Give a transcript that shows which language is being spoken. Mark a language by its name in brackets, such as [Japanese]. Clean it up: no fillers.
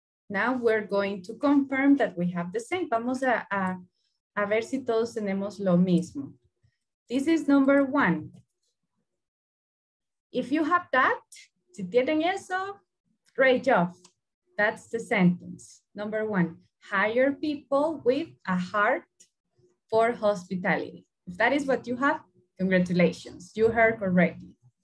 [English] Now we're going to confirm that we have the same. [Spanish] Vamos a ver si todos tenemos lo mismo. [English] This is number one. If you have that, [Spanish] si tienen eso, [English] great job. That's the sentence. Number one, hire people with a heart for hospitality. If that is what you have, congratulations, you heard correctly.